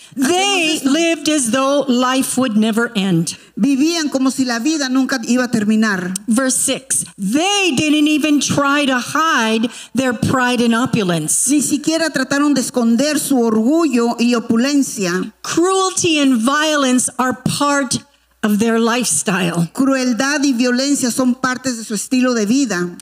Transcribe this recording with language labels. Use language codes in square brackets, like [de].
[en] They lived as though life would never end. [es] Vivían como si la vida nunca iba a terminar. [en] Verse 6. They didn't even try to hide their pride and opulence. [es] Ni siquiera trataron de esconder su orgullo y opulencia. [en] Cruelty and violence are part of their lifestyle. [es] Crueldad y violencia son partes de su estilo de vida.